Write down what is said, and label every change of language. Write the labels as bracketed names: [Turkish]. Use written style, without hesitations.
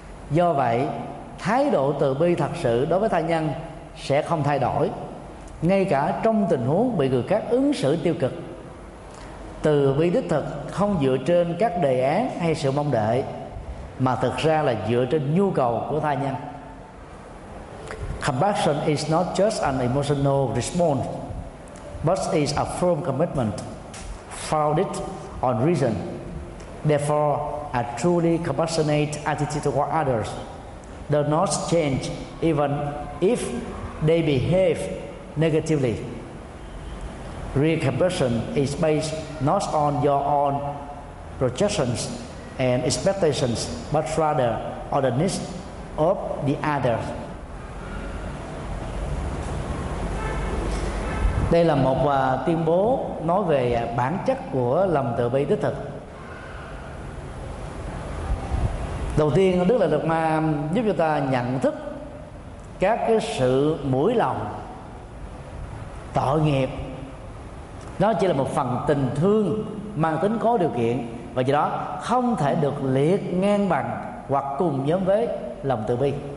[Vietnamese] Do vậy, thái độ từ bi thật sự đối với tha nhân sẽ không thay đổi, ngay cả trong tình huống bị người khác ứng xử tiêu cực. Từ bi đích thực không dựa trên các đề án hay sự mong đợi, mà thực ra là dựa trên nhu cầu của tha nhân. [English] Compassion is not just an emotional response, but is a firm commitment founded on reason. Therefore, a truly compassionate attitude toward others does not change even if they behave negatively. Real compassion is based not on your own projections and expectations, but rather on the needs of the others. [Vietnamese] Đây là một tuyên bố nói về bản chất của lòng từ bi đích thực. Đầu tiên, Đức Lạc Đạt Ma giúp chúng ta nhận thức các cái sự mũi lòng tội nghiệp, nó chỉ là một phần tình thương mang tính có điều kiện, và do đó không thể được liệt ngang bằng hoặc cùng nhóm với lòng từ bi.